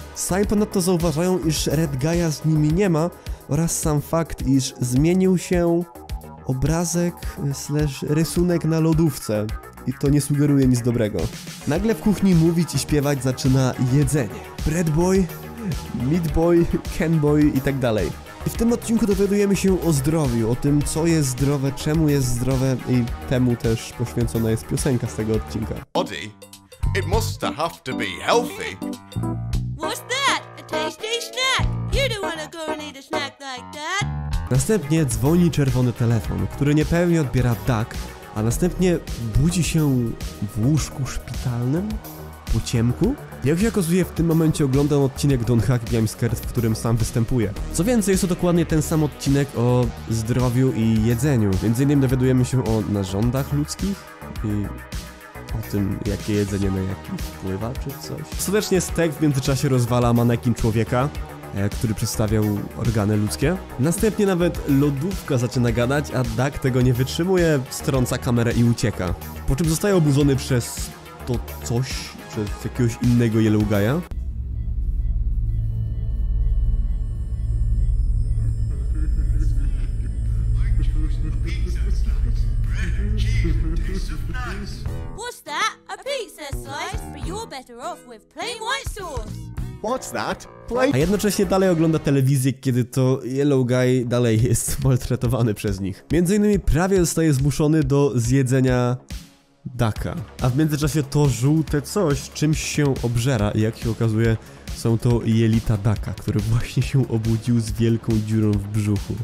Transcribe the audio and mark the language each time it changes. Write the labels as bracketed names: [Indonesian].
[Polish] Sami ponadto zauważają, iż Red Guy'a z nimi nie ma oraz sam fakt, iż zmienił się obrazek / rysunek na lodówce i to nie sugeruje nic dobrego. Nagle w kuchni mówić i śpiewać zaczyna jedzenie. Bread Boy, Meat Boy, Ken Boy i tak dalej. I w tym odcinku dowiadujemy się o zdrowiu, o tym, co jest zdrowe, czemu jest zdrowe i temu też poświęcona jest piosenka z tego odcinka. [English] Body, it must have to be healthy. What's that? A tasty snack. You don't wanna go and eat a snack like that. [Polish] Następnie dzwoni czerwony telefon, który niepewnie odbiera Duck, a następnie budzi się w łóżku szpitalnym? po ciemku? Jak się okazuje, w tym momencie oglądam odcinek Don't Hug Me, I'm Scared, w którym sam występuje. Co więcej, jest to dokładnie ten sam odcinek o zdrowiu i jedzeniu. Między innymi dowiadujemy się o narządach ludzkich i o tym, jakie jedzenie na jaki wpływa czy coś. Ostatecznie Stek w międzyczasie rozwala manekin człowieka, który przedstawiał organy ludzkie. Następnie nawet lodówka zaczyna gadać, a Duck tego nie wytrzymuje, strąca kamerę i ucieka. Po czym zostaje obudzony przez to coś, przez jakiegoś innego Yellow Guy'a. [English] What's that? A pizza slice? But you're better off with plain white sauce. What's that? [Polish] A jednocześnie dalej ogląda telewizję, kiedy to Yellow Guy dalej jest maltretowany przez nich. Między innymi prawie zostaje zmuszony do zjedzenia Ducka. A w międzyczasie to żółte coś czymś się obżera i jak się okazuje, są to jelita Ducka, który właśnie się obudził z wielką dziurą w brzuchu.